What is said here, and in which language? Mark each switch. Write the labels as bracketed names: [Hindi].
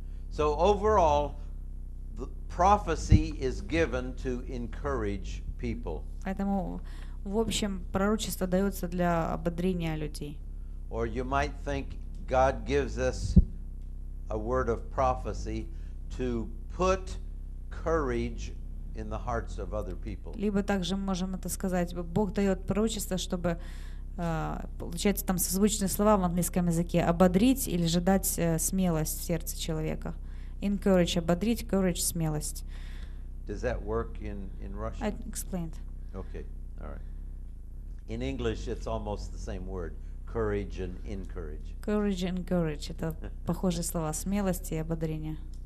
[English] So overall, the prophecy is given to encourage people. [Russian] Поэтому в общем пророчество дается для ободрения людей. [English] Or you might think God gives us a word of prophecy to put courage in the hearts of other people. [Russian] Либо также можем это сказать, Бог дает пророчество, чтобы получается там созвучные слова в английском языке ободрить или же дать смелость в сердце человека [English] encourage, ободрить, courage, смелость. Does that work in Russian? I explained. Okay, all right. In English, it's almost the same word, courage and encourage. Courage and encourage. [Russian] Это похожие слова, смелость и ободрение.